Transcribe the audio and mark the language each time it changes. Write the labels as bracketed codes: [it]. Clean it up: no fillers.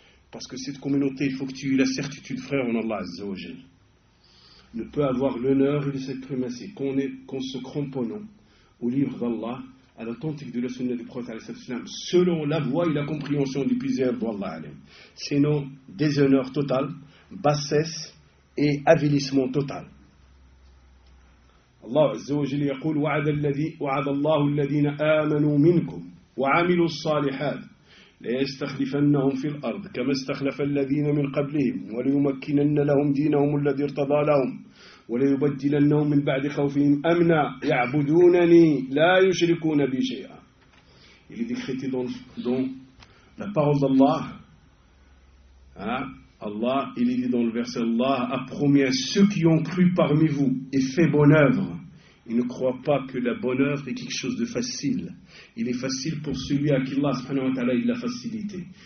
[fr] Parce que cette communauté, il faut que tu aies la certitude, frère, en Allah, Azza wa Jal, ne peut avoir l'honneur et la suprématie qu'on se cramponne au livre d'Allah, à l'authentique de la sunna du prophète, selon la voie et la compréhension du plusieurs d'Allah. Sinon, déshonneur total, bassesse et avilissement total. [ar] الله عز وجل يقول وعد الذي وعد الله الذين آمنوا منكم وعملوا الصالحات ليستخلفنهم في الأرض كما استخلف الذين من قبلهم وليمكنن لهم دينهم الذي ارتضى لهم وليبدلنهم من بعد خوفهم أمنا يعبدونني لا يشركون بي شيئا. [fr] Il est écrit dans la parole d'Allah, Allah, il est dit dans le verset, Allah a promis à ceux qui ont cru parmi vous et fait bonne œuvre. Ils ne croient pas que la bonne œuvre est quelque chose de facile. Il est facile pour celui à qui Allah subhanahu wa ta'ala il l'a facilité.